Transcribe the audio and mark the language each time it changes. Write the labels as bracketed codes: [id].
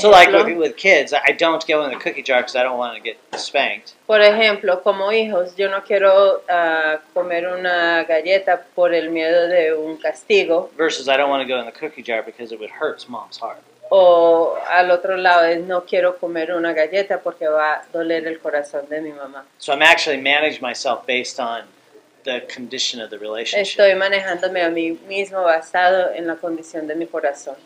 [en] So like with kids, I don't go in the cookie jar because I don't want to get spanked. [es] Por ejemplo, como hijos, yo no quiero comer una galleta por el miedo de un castigo. [en] Versus, I don't want to go in the cookie jar because it would hurt mom's heart. [es] O al otro lado es no quiero comer una galleta porque va a doler el corazón de mi mamá. [en] So I'm actually managing myself based on the condition of the relationship. [es] Estoy manejándome a mí mismo basado en la condición de mi corazón.